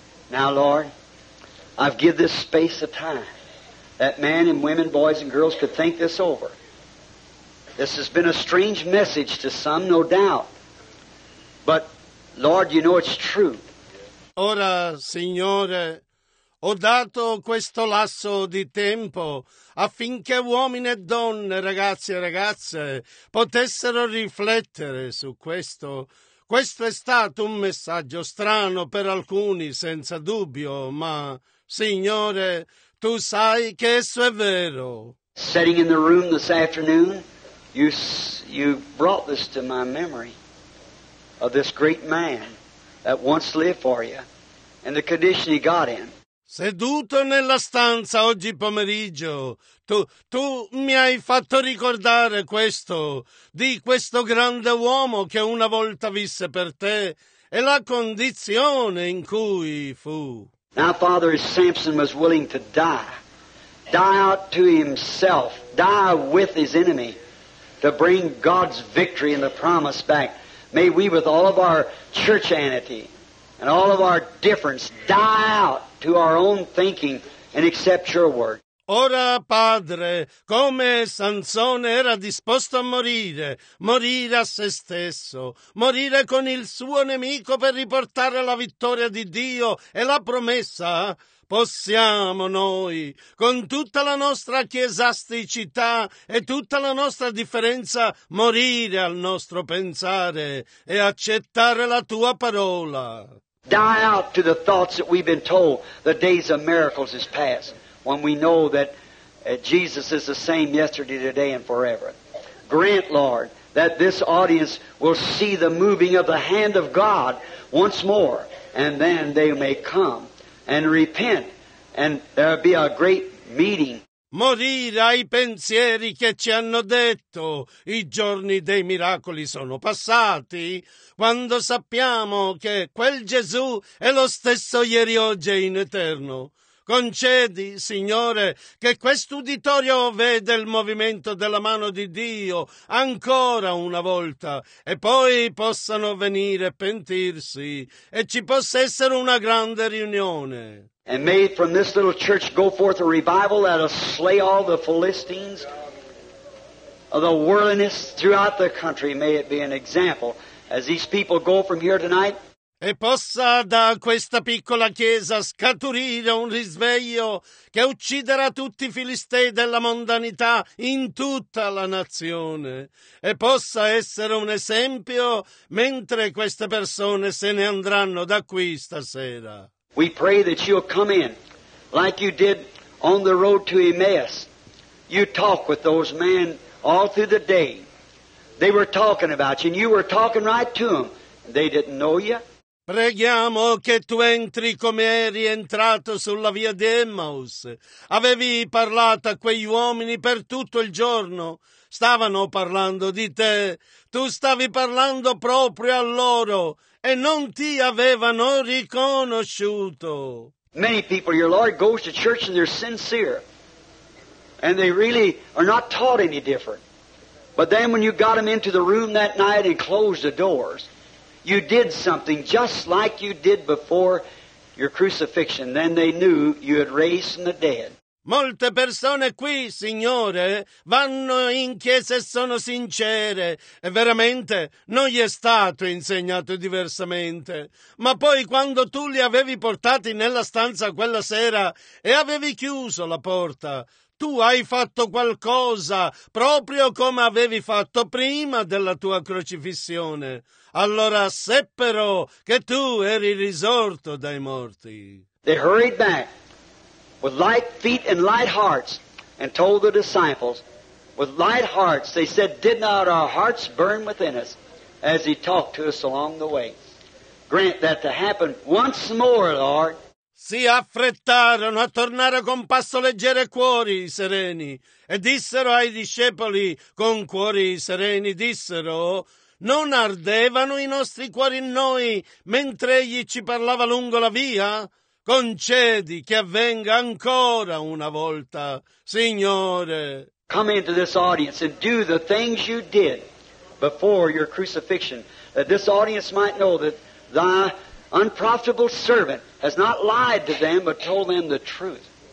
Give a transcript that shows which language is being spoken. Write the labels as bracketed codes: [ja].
[en] Now, Lord, I've given this space of time that men and women, boys and girls could think this over. This has been a strange message to some, no doubt. But, Lord, you know it's true. [it] Ora, Signore, ho dato questo lasso di tempo affinché uomini e donne, ragazzi e ragazze, potessero riflettere su questo. Questo è stato un messaggio strano per alcuni, senza dubbio, ma, Signore, tu sai che esso è vero. [en] Sitting in the room this afternoon, you brought this to my memory of this great man that once lived for you. And the condition he got in. [it] Seduto nella stanza oggi pomeriggio, tu mi hai fatto ricordare questo, di questo grande uomo che una volta visse per te e la condizione in cui fu. [en] Now, Father, Samson was willing to die out to himself, die with his enemy, to bring God's victory and the promise back. May we, with all of our churchianity, and all of our difference, die out to our own thinking and accept your word. [it] Ora, Padre, come Sansone era disposto a morire, morire a se stesso, morire con il suo nemico per riportare la vittoria di Dio e la promessa, possiamo noi, con tutta la nostra chiesasticità e tutta la nostra differenza, morire al nostro pensare e accettare la tua parola. [en] Die out to the thoughts that we've been told the days of miracles is past, when we know that Jesus is the same yesterday, today, and forever. Grant, Lord, that this audience will see the moving of the hand of God once more, and then they may come and repent, and there will be a great meeting. [it] Morire ai pensieri che ci hanno detto, i giorni dei miracoli sono passati, quando sappiamo che quel Gesù è lo stesso ieri, oggi e in eterno. Concedi, Signore, che quest'uditorio veda il movimento della mano di Dio ancora una volta e poi possano venire a pentirsi e ci possa essere una grande riunione. [en] And may from this little church go forth a revival that will slay all the Philistines, the worldliness throughout the country. May it be an example as these people go from here tonight. [it] e possa da questa piccola chiesa scaturire un risveglio che ucciderà tutti i filistei della mondanità in tutta la nazione, e possa essere un esempio mentre queste persone se ne andranno da qui stasera. [en] We pray that you'll come in like you did on the road to Emmaus. You talk with those men all through the day. They were talking about you, and you were talking right to them. They didn't know you. [it] Preghiamo che tu entri come eri entrato sulla via di Emmaus. Avevi parlato a quegli uomini per tutto il giorno. Stavano parlando di te. Tu stavi parlando proprio a loro e non ti avevano riconosciuto. [en] Many people, your Lord goes to church and they're sincere. And they really are not taught any different. But then when you got them into the room that night and closed the doors, you did something just like you did before your crucifixion. Then they knew you had raised from the dead. [it] Molte persone qui, Signore, vanno in chiesa e sono sincere. E veramente non gli è stato insegnato diversamente. Ma poi quando tu li avevi portati nella stanza quella sera e avevi chiuso la porta, tu hai fatto qualcosa proprio come avevi fatto prima della tua crocifissione. Allora seppero che tu eri risorto dai morti. [en] They hurried back with light feet and light hearts and told the disciples with light hearts. They said, did not our hearts burn within us as he talked to us along the way? Grant that to happen once more, Lord. [it] Si affrettarono a tornare con passo leggero e cuori sereni e dissero ai discepoli con cuori sereni, dissero, non ardevano i nostri cuori in noi mentre egli ci parlava lungo la via? Concedi che avvenga ancora una volta, Signore. [en] Come into this audience and do the things you did before your crucifixion, that this audience might know that thy unprofitable servant has not lied to them, but told them the truth.